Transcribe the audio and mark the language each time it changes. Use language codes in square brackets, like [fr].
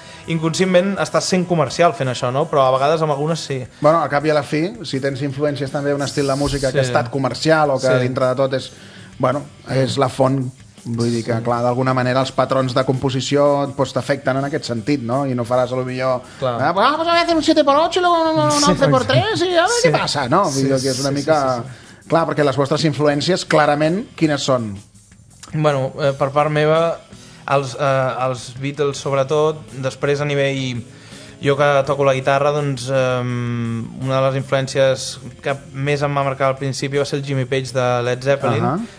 [ca] Inconscientment estàs sent comercial fent això, no? Però a vegades amb algunes sí. Bueno, al cap i a la fi, si tens influències també d'un estil de música que ha estat comercial o que dintre de tot és, bueno, és la font, vull dir que clar, d'alguna manera els patrons de composició pues, t'afecten en aquest sentit, no? I no faràs el millor [es] pues a veces un 7x8 y luego un 11x3 y a ver qué pasa, no? [ca] Vull dir que és una mica... Clar, perquè les vostres influències, clarament, quines són? Bueno, per part meva, els Beatles sobretot, després a nivell jo que toco la guitarra, doncs una de les influències que més em va marcar al principi va ser el Jimmy Page de Led Zeppelin.